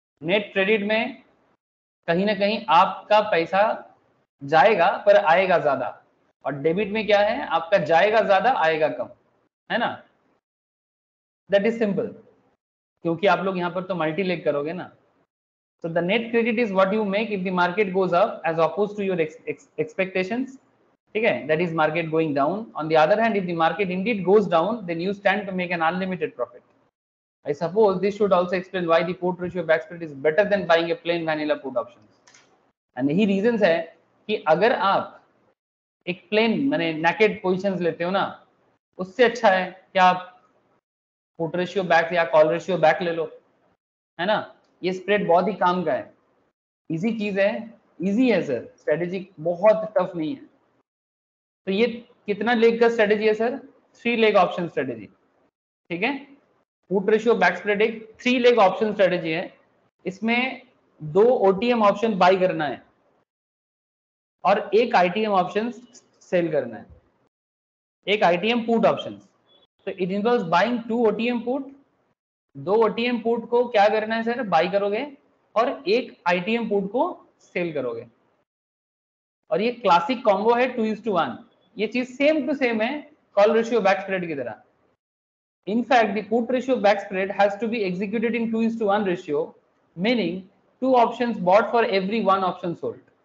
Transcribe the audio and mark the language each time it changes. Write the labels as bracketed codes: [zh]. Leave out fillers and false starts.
[hi] Net credit में कहीं ना कहीं आपका पैसा जाएगा पर आएगा ज्यादा, और डेबिट में क्या है आपका जाएगा ज्यादा आएगा कम, है ना, दैट इज सिंपल, क्योंकि आप लोग यहां पर तो मल्टी लेग करोगे ना, so the net credit is what you make if the market goes up as oppose to your expectations, ठीक है, that is market going down. [en] On the other hand if the market indeed goes down then you stand to make an unlimited profit. I suppose this should also explain why the put ratio back spread is better than buying a plain vanilla put options. [hi] And यही reasons है कि अगर आप एक plain मैंने naked positions लेते हो ना उससे अच्छा है कि आप put ratio back या call ratio back ले लो, है ना, ये spread बहुत ही काम का है, easy चीज है, easy है sir, strategy बहुत tough नहीं है। तो ये कितना leg का strategy है sir? 3-leg option strategy, ठीक है, पुट रेशियो बैक स्प्रेड एक 3-leg ऑप्शन स्ट्रेटेजी है, इसमें 2 OTM ऑप्शन बाई करना है और 1 ITM ऑप्शन सेल करना है, 1 ITM पुट ऑप्शन, तो it involve buying 2 OTM put, 2 OTM put को क्या करना है सर, बाई करोगे और 1 ITM पुट को सेल करोगे, और ये क्लासिक कॉम्बो है 2:1, ये चीज सेम टू सेम है कॉल रेशियो बैक स्प्रेड की तरह। [en] In fact, the put ratio back spread has to be executed in 2:1 ratio, meaning 2 options bought for every 1 option sold.